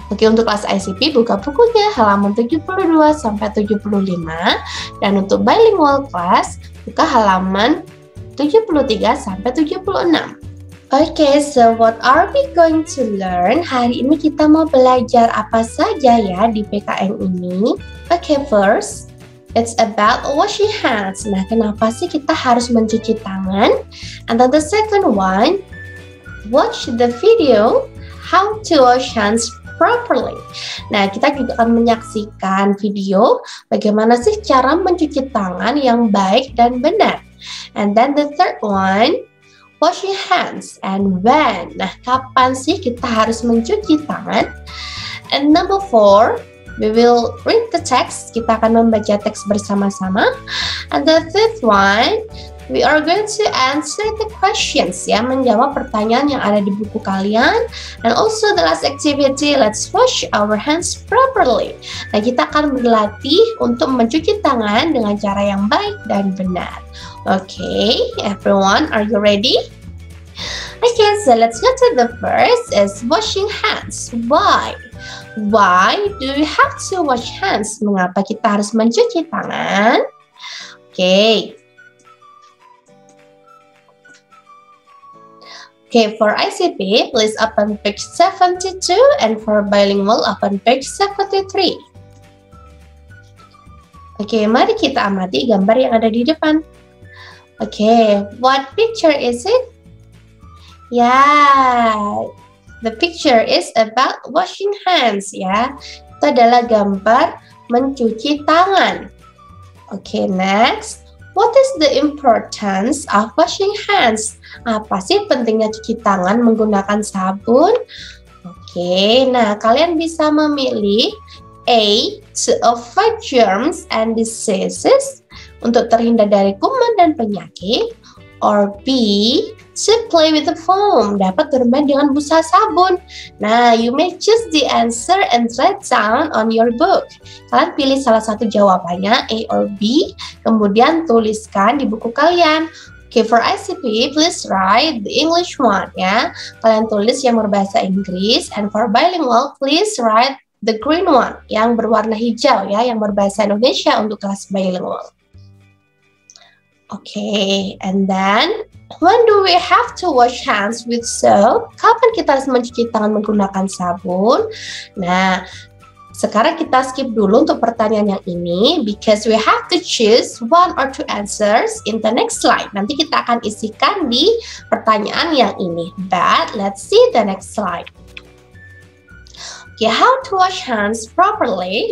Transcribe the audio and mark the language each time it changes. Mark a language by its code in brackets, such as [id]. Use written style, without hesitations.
[id] Oke, untuk kelas ICP, buka bukunya halaman 72 sampai 75, dan untuk bilingual class, buka halaman 73 sampai 76. [en] Okay, so what are we going to learn? [id] Hari ini kita mau belajar apa saja ya di PKN ini? [en] Okay, first, it's about washing hands. [id] Nah, kenapa sih kita harus mencuci tangan? [en] And then the second one, watch the video, how to wash hands properly. [id] Nah, kita juga akan menyaksikan video bagaimana sih cara mencuci tangan yang baik dan benar. [en] And then the third one, wash your hands and when. [id] Nah, kapan sih kita harus mencuci tangan? [en] And number four, we will read the text. [id] Kita akan membaca teks bersama-sama. [en] And the fifth one, we are going to answer the questions [id] ya, menjawab pertanyaan yang ada di buku kalian. [en] And also the last activity, let's wash our hands properly. [id] Nah, kita akan berlatih untuk mencuci tangan dengan cara yang baik dan benar. [en] Okay, everyone, are you ready? Okay, so let's go to the first is washing hands. Why? Why do we have to wash hands? [id] Mengapa kita harus mencuci tangan? Okay. [en] Okay, for ICP, please open page 72, and for bilingual, open page 73. [id] Okay, mari kita amati gambar yang ada di depan. Okay, [en] what picture is it? Yeah, the picture is about washing hands, ya. Yeah. [id] Itu adalah gambar mencuci tangan. Okay, next. [en] What is the importance of washing hands? [id] Apa sih pentingnya cuci tangan menggunakan sabun? Oke, nah kalian bisa memilih A, [en] to avoid germs and diseases, [id] untuk terhindar dari kuman dan penyakit, or B, [en] to play with the foam, [id] dapat bermain dengan busa sabun. [en] Nah, you may choose the answer and write down on your book. [id] Kalian pilih salah satu jawabannya, A or B, kemudian tuliskan di buku kalian. [en] Okay, for ICP, please write the English one, ya. [id] Kalian tulis yang berbahasa Inggris. [en] And for bilingual, please write the green one, [id] yang berwarna hijau, ya, yang berbahasa Indonesia untuk kelas bilingual. [en] Okay, and then, when do we have to wash hands with soap? [id] Kapan kita harus mencuci tangan menggunakan sabun? Nah, sekarang kita skip dulu untuk pertanyaan yang ini, [en] because we have to choose one or two answers in the next slide. [id] Nanti kita akan isikan di pertanyaan yang ini. [en] But let's see the next slide. Okay, how to wash hands properly?